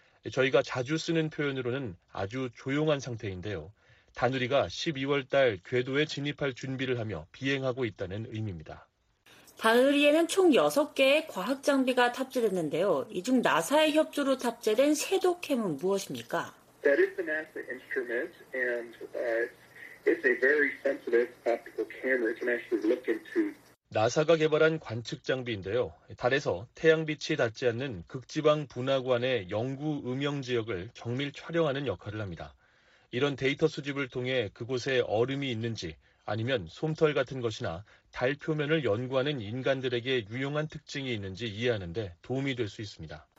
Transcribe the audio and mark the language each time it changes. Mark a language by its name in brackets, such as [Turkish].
[Korean] 저희가 자주 쓰는 표현으로는 아주 조용한 상태인데요. 다누리가 12월 달 궤도에 진입할 준비를 하며 비행하고 있다는 의미입니다. 다누리에는 총 6개의 과학 장비가 탑재됐는데요. 이 중 나사의 협조로 탑재된 세도캠은 무엇입니까? [English] That is the NASA instrument and it's a very sensitive optical camera to actually look into. [Korean] 나사가 개발한 관측 장비인데요. 달에서 태양빛이 닿지 않는 극지방 분화구안의 영구 음영 지역을 정밀 촬영하는 역할을 합니다. 이런 데이터 수집을 통해 그곳에 얼음이 있는지 아니면 솜털 같은 것이나 달 표면을 연구하는 인간들에게 유용한 특징이 있는지 이해하는 데 도움이 될 수 있습니다.